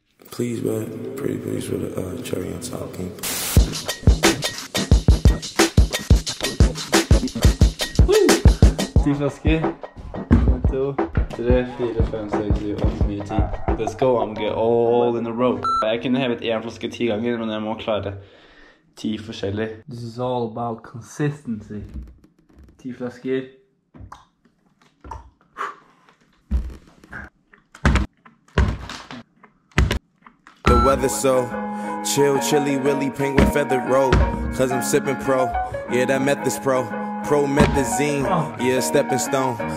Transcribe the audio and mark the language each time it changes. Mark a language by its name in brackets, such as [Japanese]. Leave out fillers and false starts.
[English] Please, man. Pretty please with a cherry on top, can you please? [Norwegian] Ti flasker. 1, 2, 3, 4, 5, 6, 7, 8, 9, 10. [English] Let's go, I'm get all in a row. [Norwegian] Jeg kunne hevet 1 flaske 10 ganger, men jeg må klare 10 forskjellig. [English] This is all about consistency. [Norwegian] 10 flasker. [English] The weather's so chill, chilly, willy, penguin feather road. Cause I'm sipping pro, yeah, that meth is pro. Promethazine, yeah, stepping stone.